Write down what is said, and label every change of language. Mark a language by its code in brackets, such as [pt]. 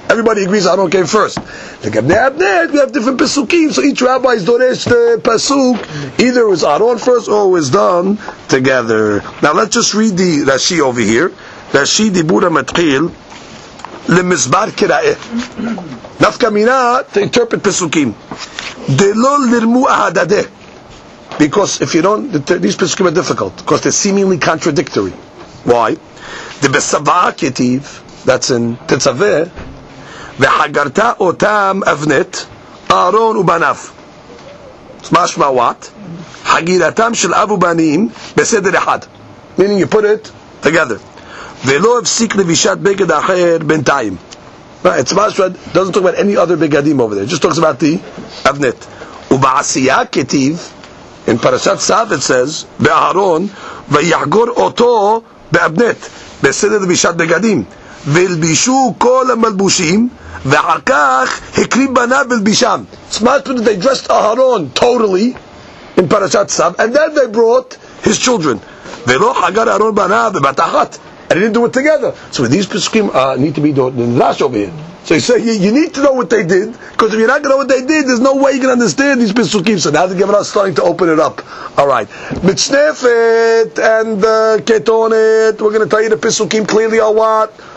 [en] Everybody agrees Aaron came first. The gabed avnet, we have different pesukim, so each rabbi is doresh the pesuk, either it was Aaron first or it was done together. Now let's just read the Rashi over here. [he] Rashi dibura matqil, למסבר קראה. נפקא מינה, [en] to interpret [he] פסוקים. דלא לרמו אהדדה. [en] Because if you don't, these פסוקים are difficult. Because they're seemingly contradictory. Why? [he] דבסבאה כתיב, [en] that's in [he] תצווה, וחגרת אותם אבנת, אהרון ובניו. משמע what? חגירתם של אב ובנים בסדר אחד. [en] Meaning you put it together. [he] ולא הפסיק לבישת בגד אחר בינתיים. [en] It's not sure, it doesn't talk about any other בגדים over there. It just talks about the אבנת. [he] ובעשייה כתיב, in פרשת סב, [en] it says, [he] באהרון, ויחגור אותו באבנת, בסדר לבישת בגדים. ולבישו כל המלבושים, ואחר כך הקריב בניו ולבישם. [en] It's not sure that they dressed אהרון totally in פרשת סב, and then they brought his children. [he] ולא חגר אהרון בניו בבת אחת. [en] And they didn't do it together. So these pesukim need to be the last over here. So he said, you need to know what they did, because if you're not going to know what they did, there's no way you can understand these pesukim. So now the Gemara is starting to open it up. All right. Mitznefet and ketonet, we're going to tell you the pesukim clearly are what?